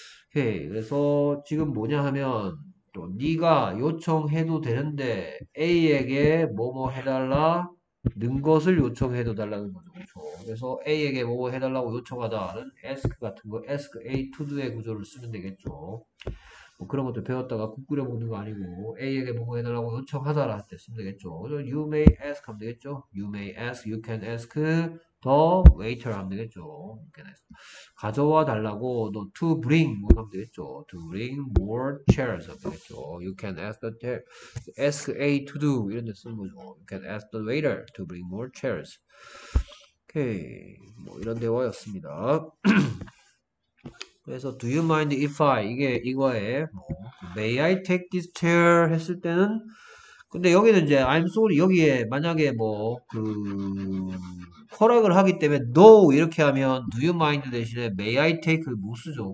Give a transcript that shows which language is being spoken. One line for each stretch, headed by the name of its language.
Korean: 오케이 그래서 지금 뭐냐 하면 또 네가 요청해도 되는데 A에게 뭐뭐 해달라는 것을 요청해도 달라는 거죠. 그렇죠? 그래서 A에게 뭐뭐 해달라고 요청하다는 ask 같은 거, ask A to do의 구조를 쓰면 되겠죠. 뭐 그런 것도 배웠다가 국 끓여 먹는 거 아니고 A에게 뭐뭐 해달라고 요청하다라는 때 쓰면 되겠죠. 그래서
English: you may ask
Korean: 하면 되겠죠.
English: You may ask, you can ask the waiter
Korean: 하면 되겠죠. 가져와 달라고 너 to bring 뭐 하면 되겠죠.
English: to bring more chairs
Korean: 하면 되겠죠.
English: you can ask the ask A to do
Korean: 이런 데 쓰는 거죠.
English: you can ask the waiter to bring more chairs.
Korean: 오케이 뭐 이런 대화였습니다. 그래서
English: do you mind if I
Korean: 이게 이거에 뭐,
English: may I take this chair
Korean: 했을 때는 근데 여기는 이제 I'm sorry 여기에 만약에 뭐그 허락을 하기 때문에 no 이렇게 하면 do you mind 대신에 may I take 못 쓰죠.